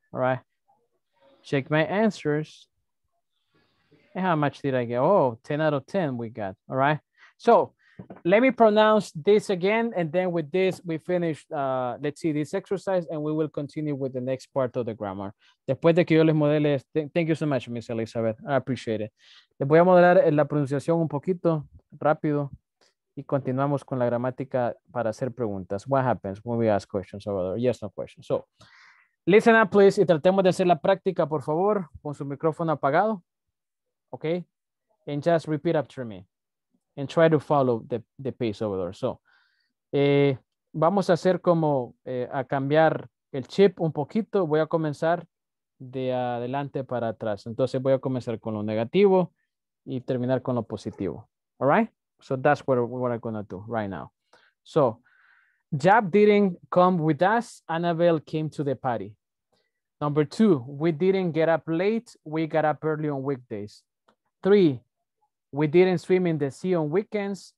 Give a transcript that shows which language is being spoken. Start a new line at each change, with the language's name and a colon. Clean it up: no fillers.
English: All right, check my answers. And how much did I get? Oh, 10 out of 10 we got. All right, so let me pronounce this again, and then with this we finish. Let's see this exercise, and we will continue with the next part of the grammar.
Spanish: Después de que yo les modele,
English: thank you so much, Miss Elizabeth. I appreciate it.
Spanish: Les voy a modelar la pronunciación un poquito rápido, y continuamos con la gramática para hacer preguntas.
English: What happens when we ask questions over there? Yes, no questions. So, listen up, please,
Spanish: y tratemos de hacer la práctica, por favor, con su micrófono apagado.
English: Okay, and just repeat after me. And try to follow the pace over there.
Spanish: So, vamos a hacer como a cambiar el chip un poquito. Voy a comenzar de adelante para atrás. Entonces voy a comenzar con lo negativo y terminar con lo positivo.
English: All right? So that's what I'm going to do right now. So, Jab didn't come with us. Annabelle came to the party. Number two, we didn't get up late. We got up early on weekdays. Three, we didn't swim in the sea on weekends.